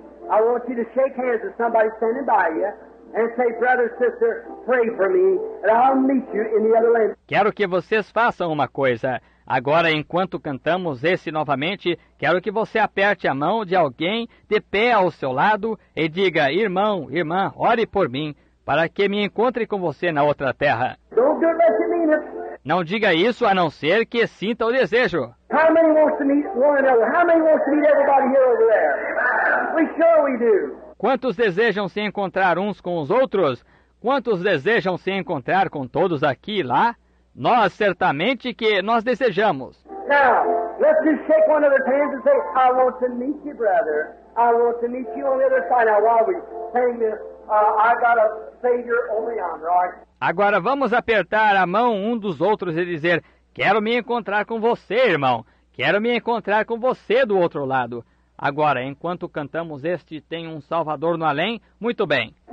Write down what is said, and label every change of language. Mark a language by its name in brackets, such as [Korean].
[English] I want you to shake hands with somebody standing by you and say, brother, sister, pray for me, and I'll meet you in the other land. [Portuguese] Quero que vocês façam uma coisa. Agora, enquanto cantamos esse novamente, quero que você aperte a mão de alguém de pé ao seu lado e diga, irmão, irmã, ore por mim, para que me encontre com você na outra terra. [English] Don't do it unless you mean it. [Portuguese] Não diga isso a não ser que sinta o desejo. [English] How many wants to meet one another? How many wants to meet everybody here over there? We sure we do. [Portuguese] Quantos desejam se encontrar uns com os outros? Quantos desejam se encontrar com todos aqui e lá? Nós certamente que nós desejamos. [English] Now, let's just shake one another's hands and say, I want to meet you, brother. I want to meet you on the other side. Now, while we sing this, I got a Savior on the arm, right? [Portuguese] Agora vamos apertar a mão um dos outros e dizer: quero me encontrar com você, irmão. Quero me encontrar com você do outro lado. Agora, enquanto cantamos este Tem um Salvador no Além, muito bem.